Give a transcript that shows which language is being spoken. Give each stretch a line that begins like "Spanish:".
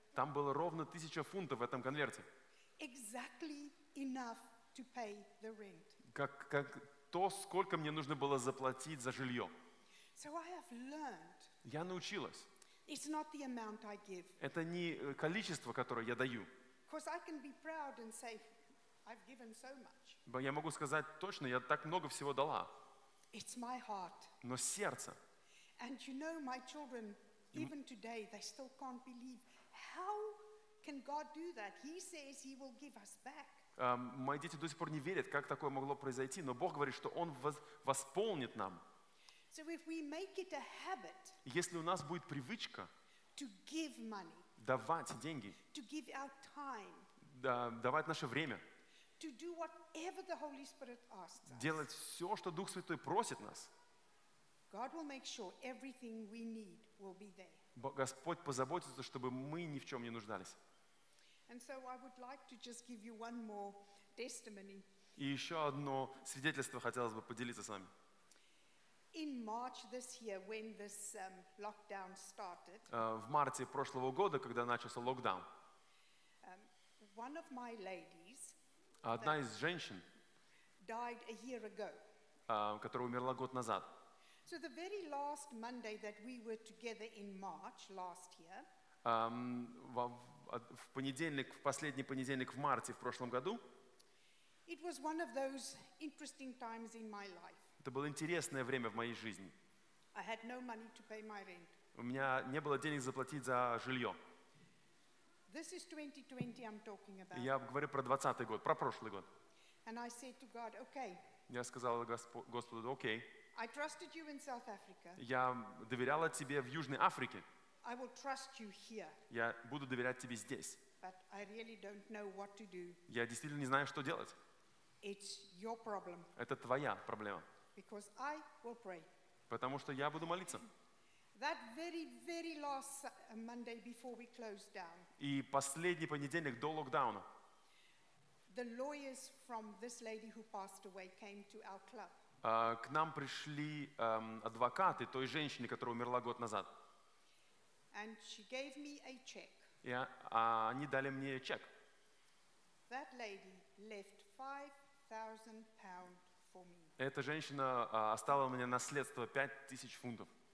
Russian: Там было ровно 1000 фунтов в этом конверте.
English: Exactly enough to pay the rent.
Russian: Как то, сколько мне нужно было заплатить за жилье.
English: So I have learned.
Russian: Я научилась.
English: It's not the amount I give.
Russian: Это не количество, которое я даю.
English: Because I can be proud and say I've given so much.
Russian: Бо я могу сказать точно, я так много всего дала.
English: It's my heart.
Russian: Но сердце.
English: And you know, my children, even today, they still can't believe. How can God do that? He says He will give us back.
Russian: Мои дети до сих пор не верят, как такое могло произойти, но Бог говорит, что Он восполнит нам.
English: So if we make it a habit,
Russian: если у нас будет привычка
English: to give money,
Russian: давать деньги,
English: to give our time,
Russian: давать наше время,
English: to do whatever the Holy Spirit asks us,
Russian: делать все, что Дух Святой просит нас,
English: God will make sure everything we need will be there.
Russian: Господь позаботится, чтобы мы ни в чем не нуждались.
English: And so I would like to just give you one more testimony.
Russian: И еще одно свидетельство хотелось бы поделиться с вами.
English: In March this year, when this lockdown started,
Russian: в марте прошлого года, когда начался локдаун,
English: one of my ladies,
Russian: одна из женщин,
English: died a year ago,
Russian: которая умерла год назад.
English: So the very last Monday that we were together in March last year,
Russian: в понедельник, в последний понедельник в марте в прошлом году,
English: it was one of those interesting times in my life.
Russian: Это было интересное время в моей жизни.
English: I had no money to pay my rent.
Russian: У меня не было денег заплатить за жилье.
English: This is 2020 I'm talking about.
Russian: Я говорю про 2020 год, про прошлый год.
English: And I said to God, okay.
Russian: Я сказал Господу, окей.
English: I trusted you in South Africa.
Russian: Я доверяла тебе в Южной Африке.
English: I will trust you here.
Russian: Я буду доверять тебе здесь.
English: But I really don't know what to do.
Russian: Я действительно не знаю, что делать.
English: It's your problem.
Russian: Это твоя проблема.
English: Because I will pray.
Russian: Потому что я буду молиться.
English: That very, very last Monday before we closed down.
Russian: И последний понедельник до локдауна.
English: The lawyers from this lady who passed away came to our club.
Russian: К нам пришли адвокаты той женщины, которая умерла год назад.
English: And she gave me a check.
Russian: Они дали мне чек.
English: That lady left 5,000 pounds.
Russian: Эта женщина оставила мне наследство 5000 фунтов.